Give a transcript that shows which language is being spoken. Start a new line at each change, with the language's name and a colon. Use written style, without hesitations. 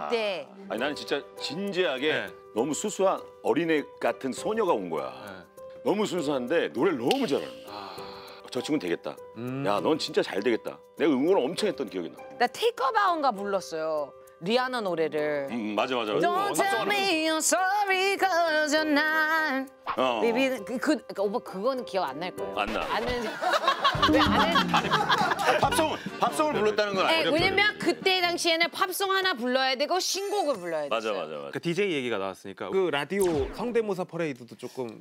Korean: 그때 아니 나는 진짜 진지하게 네. 너무 수수한 어린애 같은 소녀가 온 거야. 네. 너무 순수한데 노래를 너무 잘하는 거야. 저 친구는 되겠다. 야, 넌 진짜 잘 되겠다. 내가 응원을 엄청 했던 기억이 나. 나 Take About On가 불렀어요. 리아나 노래를. 맞아.
English: Don't tell me you're sorry 'cause you're not.
Korean: 비비 그 오빠 그거는 기억 안 날 거예요. 안 나. 아는. 왜 아는? 아니, 팝송을 불렀다는 건 아니죠. 왜냐면 그때 당시에는 팝송 하나 불러야 되고 신곡을 불러야 돼. 맞아. 그 DJ 얘기가 나왔으니까 그 라디오 성대모사 퍼레이드도 조금